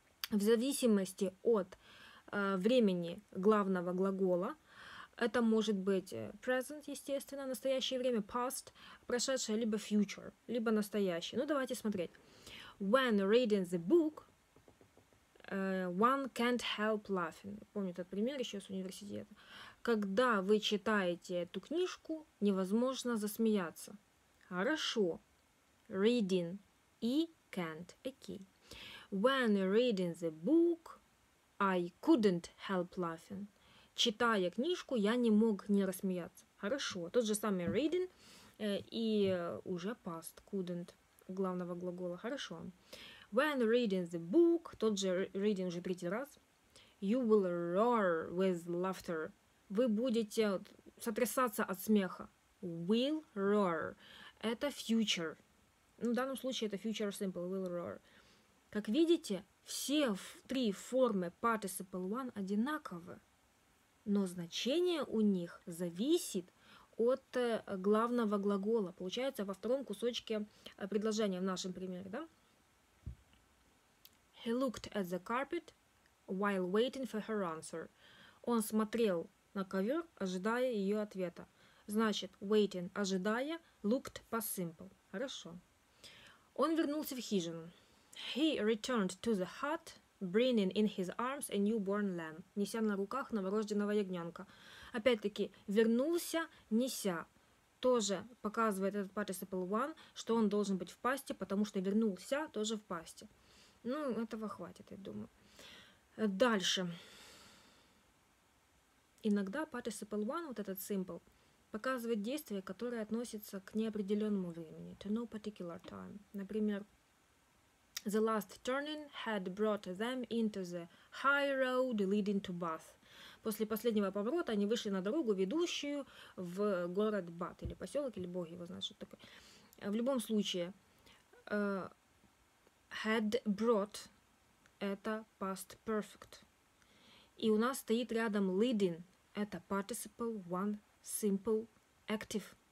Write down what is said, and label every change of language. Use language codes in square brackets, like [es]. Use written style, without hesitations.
[ru] В зависимости от времени главного глагола, это может быть present, естественно, настоящее время, past, прошедшее, либо future, либо настоящее. Ну, давайте смотреть. [en] When reading the book, one can't help laughing. [ru] Помню этот пример еще с университета. Когда вы читаете эту книжку, невозможно засмеяться. Хорошо. Reading и can't. Окей. [en] When reading the book, I couldn't help laughing. [ru] Читая книжку, я не мог не рассмеяться. Хорошо. Тот же самый reading и уже past, couldn't, главного глагола. Хорошо. [en] When reading the book, [ru] тот же reading уже третий раз, [en] you will roar with laughter. [ru] Вы будете сотрясаться от смеха. Will roar. Это future. Ну, в данном случае это future simple, will roar. Как видите, все три формы participle one одинаковы. Но значение у них зависит от главного глагола. Получается, во втором кусочке предложения в нашем примере, да? [en] He looked at the carpet while waiting for her answer. [ru] Он смотрел на ковер, ожидая ее ответа. Значит, waiting, ожидая, looked по simple. Хорошо. Он вернулся в хижину. [en] He returned to the hut, bringing in his arms a newborn lamb, [ru] неся на руках новорожденного ягнёнка. Опять-таки, вернулся, неся, тоже показывает этот participle one, что он должен быть в пасти, потому что вернулся тоже в пасти. Ну, этого хватит, я думаю. Дальше. Иногда participle one, вот этот simple, показывает действие, которое относится к неопределенному времени, [en] to no particular time. Например, the last turning had brought them into the high road leading to Bath. [ru] После последнего поворота они вышли на дорогу, ведущую в город Бат, или поселок, или бог его знает, что такое. В любом случае, had brought – это past perfect. И у нас стоит рядом leading – это participle one, simple, active.